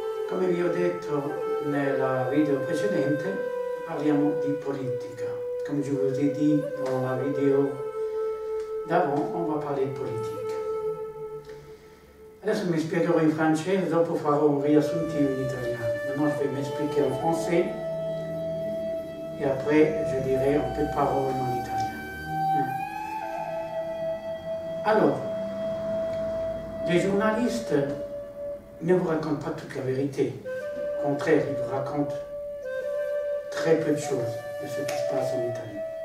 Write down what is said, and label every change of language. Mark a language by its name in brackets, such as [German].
[Italian] Come vi ho detto nel video precedente, parliamo di politica. [French] Come je vous ai dit dans la vidéo d'avant, on va parler de politique. [Italian] Adesso mi spiegherò in francese, dopo farò un riassuntivo in italiano. Non so se mi spiegherò in francese. [French] Et après, je dirai un peu de paroles en italien. Alors, les journalistes ne vous racontent pas toute la vérité. Au contraire, ils vous racontent très peu de choses de ce qui se passe en Italie.